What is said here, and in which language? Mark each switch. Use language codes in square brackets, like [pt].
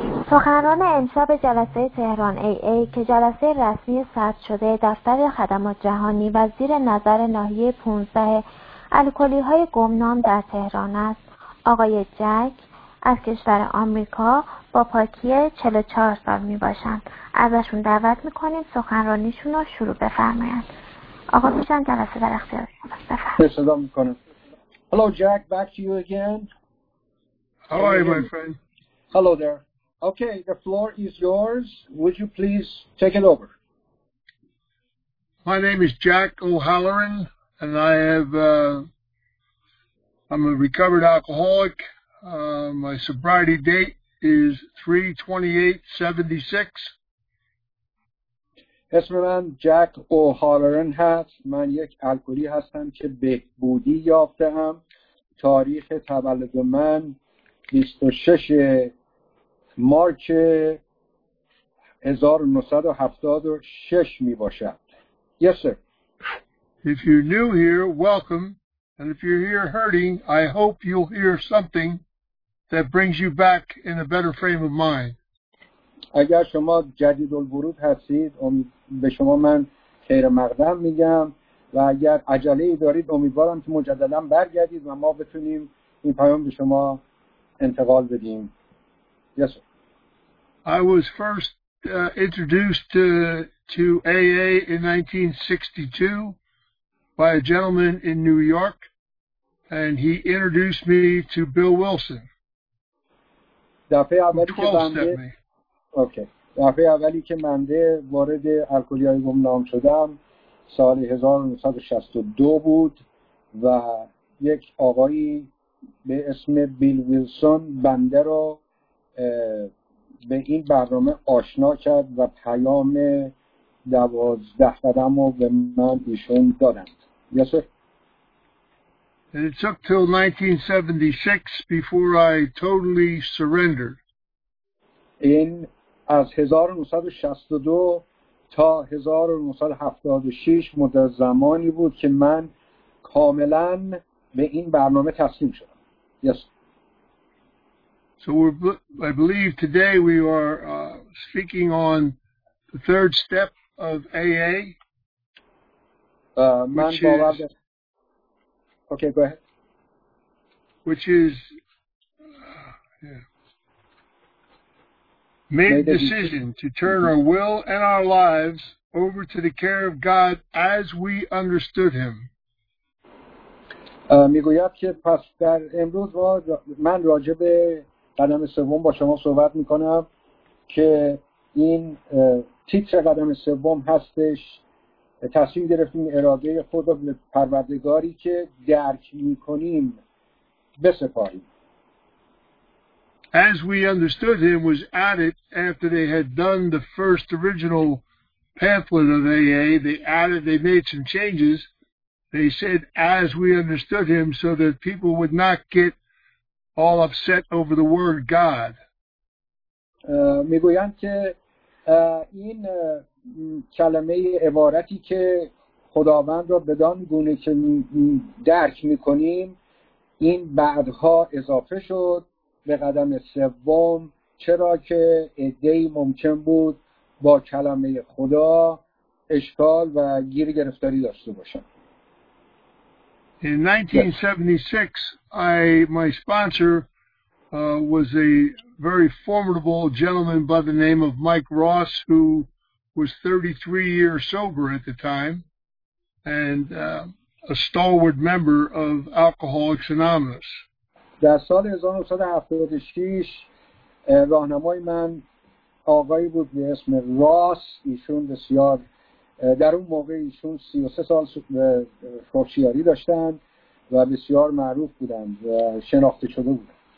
[fa] سخنران امشب جلسه تهران AA که جلسه رسمی ثبت شده دفتر خدمات جهانی و زیر نظر ناحیه 15 الکلی های گمنام در تهران است، آقای جک از کشور آمریکا با پاکی 44 سال می باشند. ازشون دعوت میکنیم سخنرانیشون رو شروع بفرمایند. آقا میشن جلسه در اختیار شما، بفرمایید. صدا میکنم. [en] Hello Jack, back to you again. How are you, my friend? Hello there. Okay, the floor is yours. Would you please take it over? My name is Jack O'Halloran, and I have I'm a recovered alcoholic. My sobriety date is 3/28/76. [fa] اسم من جک اوهالرن هست. من یک الکلی هستم که بهبودی یافته هم. تاریخ تولد من 26 مارچ 1976 می باشد. [en] Yes, sir. If you're new here, welcome. And if you're here hurting, I hope you'll hear something that brings you back in a better frame of mind. [fa] اگر شما جدید الورود هستید، به شما من خیر مقدم میگم و اگر عجله ای دارید امیدوارم که مجددا برگردید و ما بتونیم این پیام به شما انتقال بدیم. [en] Yes, sir. I was first introduced to AA in 1962 by a gentleman in New York and he introduced me to Bill Wilson. [fa] دفعه اولی که بنده دفعه اولی که منده وارد الکلی های گمنام شدم سال 1962 بود و یک آقایی به اسم بیل ویلسون بنده را به این برنامه آشنا کرد و پیام 12 قدم رو به من ایشون دادند. [en] Yes, sir. And it took till 1976 before I totally surrendered. [fa] این از 1962 تا 1976 مدت زمانی بود که من کاملا به این برنامه تسلیم شدم. [en] Yes. So I believe today we are speaking on the third step of AA. [fa] من باور دارم. [en] Okay, go ahead. Which is made decision to turn our will and our lives over to the care of God as we understood him. [fa] میگویم که پس در امروز من راجع به قدم سوم با شما صحبت میکنم که این تیتر قدم سوم هستش. تصمیم گرفتیم اراده خود و پروردگاری که درک میکنیم بسپاریم. [en] As we understood him was added after they had done the first original pamphlet of AA. They made some changes. They said as we understood him so that people would not get all upset over the word God. [fa] میگویند که این کلمه عبارتی که خداوند را بدان گونه که درک میکنیم این بعدها اضافه شد به قدم سوم، چرا که ادعی ممکن بود با کلمه خدا اشکال و گیر گرفتاری داشته باشند. [en] In 1976 my sponsor was a very formidable gentleman by the name of Mike Ross who was 33 years sober at the time and a stalwart member of Alcoholics Anonymous. [fa] در سال 1976 راهنمای من آقایی بود به اسم راس. ایشون بسیار در اون موقع ایشون 33 سال خوشیاری داشتند و بسیار معروف بودند و شناخته شده بودند.